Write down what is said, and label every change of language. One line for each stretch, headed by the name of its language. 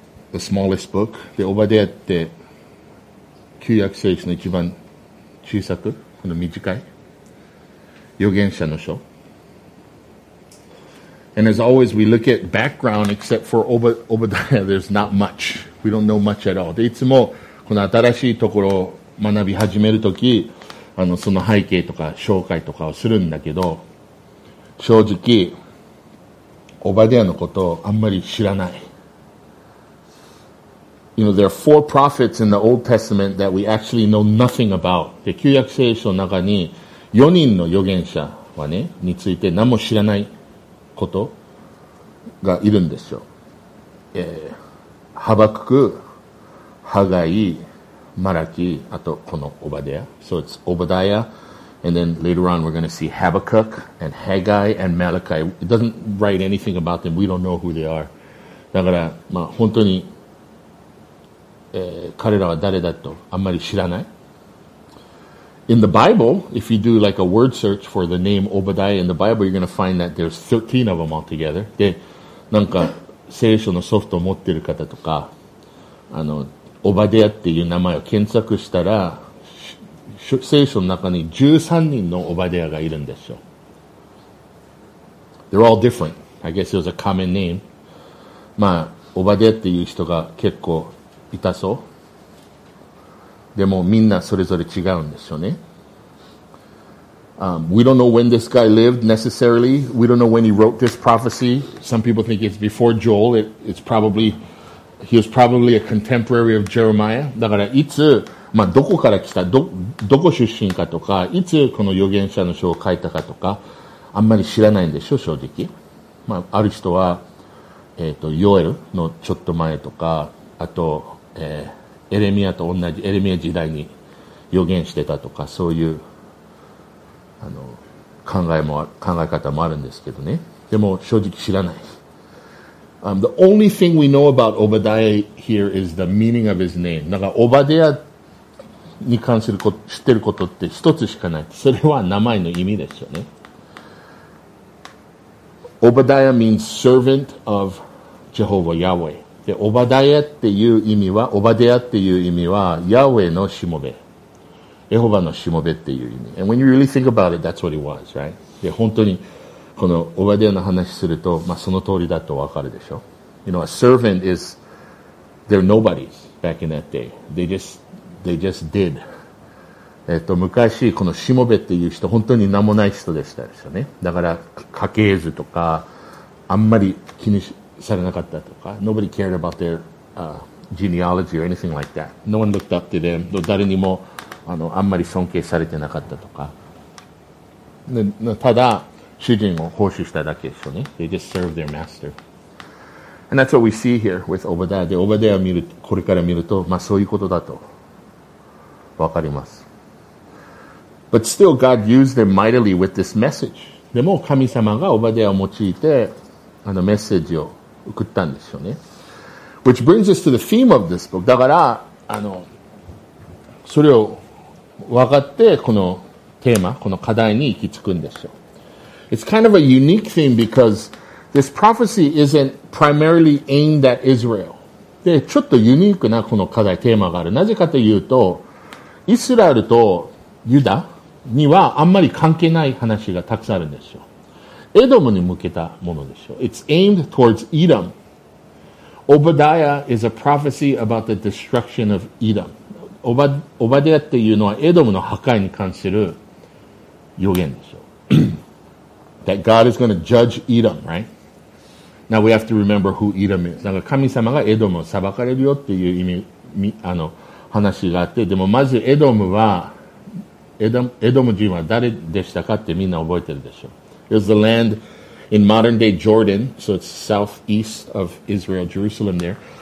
English: The smallest book.
Japanese: で、Obadiah って旧約聖書の一番小さく、この短い預言者の書。
English: And as always, we look at background, except for Obadiah, there's not much. We don't know much at all.
Japanese: で、いつもこの新しいところを学び始めるとき、その背景とか紹介とかをするんだけど、正直、Obadiahのことをあんまり知らない。
English: You know, there are four prophets in the Old Testament that we actually know nothing about.
Japanese: で、旧約聖書の中に4人の預言者はね、について何も知らない。ことがいるんですよ。ハバクク、ハガイ、マラキ、あとこのオバデヤ。
English: So it's Obadiah, and then later on we're going to see Habakkuk and Haggai and Malachi. It doesn't write anything about them. We don't know who they are.
Japanese: だから、まあ本当に、彼らは誰だとあんまり知らない。
English: In the Bible, if you do like a word search for the name Obadiah in the Bible, you're going to find that there's 13 of them altogether.
Japanese: で、なんか聖書のソフトを持ってる方とか、Obadiah っていう名前を検索したら、聖書の中に13人の Obadiah がいるんですよ。
English: They're all different. I guess it was a common name.
Japanese: まあ、Obadiah っていう人が結構いたそう。でもみんなそれぞれ違うんですよね。
English: We don't know when this guy lived necessarily. We don't know when he wrote this prophecy. Some people think it's before Joel. He was probably a contemporary of Jeremiah.
Japanese: だからいつ、まあどこから来た、どこ出身かとか、いつこの預言者の書を書いたかとか、あんまり知らないんでしょ、正直。まあある人は、ヨエルのちょっと前とか、あと、エレミアと同じエレミア時代に予言してたとかそういう考え方もあるんですけどね。でも正直知らない。
English: The only thing we know about Obadiah here is the meaning of his name.
Japanese: だからオバデヤに関すること知ってることって一つしかない。それは名前の意味ですよね。
English: Obadiah means servant of Jehovah Yahweh.
Japanese: で、オバダヤっていう意味は、オバデヤっていう意味は、ヤウェのしもべ。エホバのしもべっていう意味。
English: And when you really think about it, that's what it was, right?
Japanese: で、本当に、このオバデヤの話すると、まあその通りだとわかるでしょ。
English: You know, a servant is, they're nobodies back in that day. They just did.
Japanese: 昔、このしもべっていう人、本当に名もない人でしたですよね。だから、家系図とか、あんまり気にし、されなかったとか
English: Nobody cared about their genealogy or anything like that. No one looked up to them.
Japanese: 誰にもあんまり尊敬されてなかったとか。でただ主人を奉仕しただけですよね。
English: They just served their master. And that's what we see here with Obadiah.
Japanese: で、Obadiah見るこれから見るとまあそういうことだとわかります。
English: But still, God used them mightily with this message.
Japanese: でも神様が Obadiah を用いてメッセージを送ったんですよね。
English: Which brings us to the theme of this book.
Japanese: だから、それを分かって、このテーマ、この課題に行き着くんですよ。
English: It's kind of a unique theme because this prophecy isn't primarily aimed at Israel.
Japanese: で、ちょっとユニークなこの課題、テーマがある。なぜかというと、イスラエルとユダにはあんまり関係ない話がたくさんあるんですよ。エドムに向けたものでしょう。
English: It's aimed towards Edom. Obadiah is a prophecy about the destruction of Edom.
Japanese: Obadiah っていうのはエドムの破壊に関する予言でしょう。
English: That God is going to judge Edom, right? Now we have to remember who Edom is.
Japanese: なんか神様がエドムを裁かれるよっていう意味、話があって、でもまずエドム人は誰でしたかってみんな覚えてるでしょう。
English: It was the land in modern day Jordan, so it's southeast of Israel, Jerusalem there.